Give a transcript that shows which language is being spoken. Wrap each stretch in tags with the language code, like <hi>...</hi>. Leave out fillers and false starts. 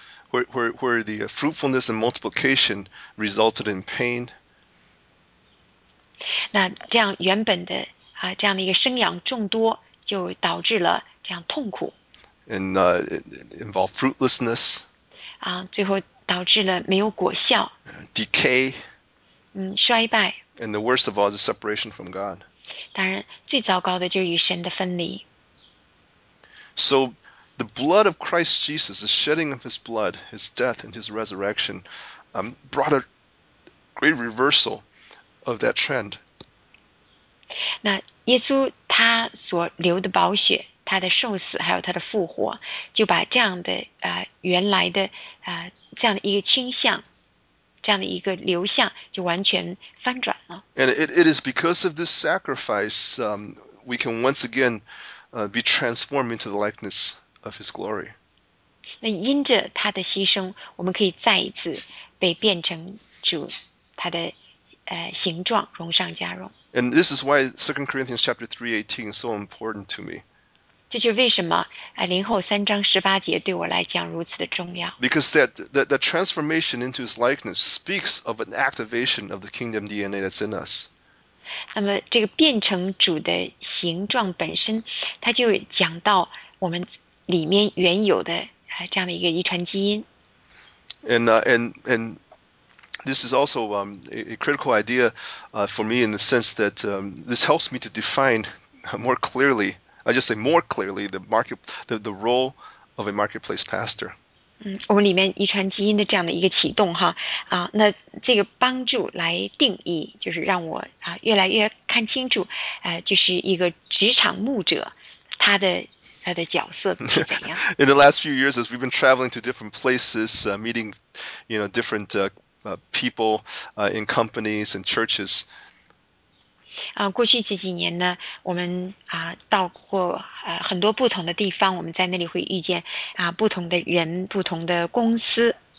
<en>Where the fruitfulness and multiplication resulted in pain.</en> <zh>那这样原本的这样的一个生养众多就导致了这样痛苦。</zh> <en>And involve fruitlessness.</en> <zh>最后导致了没有果效。</zh> <en>Decay.</en> <zh>衰败。</zh> <en>And the worst of all is the separation from God.</en> <zh>当然，最糟糕的就是与神的分离。</zh> <en>So the blood of Christ Jesus, the shedding of His blood, His death and His resurrection, brought a great reversal of that trend.</en> <zh>那耶稣他所流的宝血。他的受死还有他的复活，就把这样的原来的这样的一个倾向，这样的一个流向，就完全翻转了。</zh> <en>And it is because of this sacrifice, we can once again, be transformed into the likeness of His glory.</en> <zh>那因着他的牺牲，我们可以再一次被变成主他的形状，荣上加荣。</zh> <en>And this is why 2 Corinthians chapter 3:18 is so important to me.</en> <zh>这就是为什么林后三章十八节对我来讲如此的重要。</zh> <en>Because the transformation into His likeness speaks of an activation of the kingdom DNA that's in us.</en> <zh>那么这个变成主的形状本身，它就讲到我们里面原有的这样的一个遗传基因。</zh> <en>And this is also a critical idea for me in the sense that this helps me to define more clearly. I just say more clearly the role of a marketplace pastor.</en> <zh>我们里面遗传基因的这样的一个启动哈那这个帮助来定义，就是让我越来越看清楚，就是一个职场牧者他的角色是怎样。</zh> <en>In the last few years, as we've been traveling to different places, meeting, you know, different people in companies and churches.</en> <zh>过去这几年呢，我们到过很多不同的地方，我们在那里会遇见不同的人，不同的公司。</zh>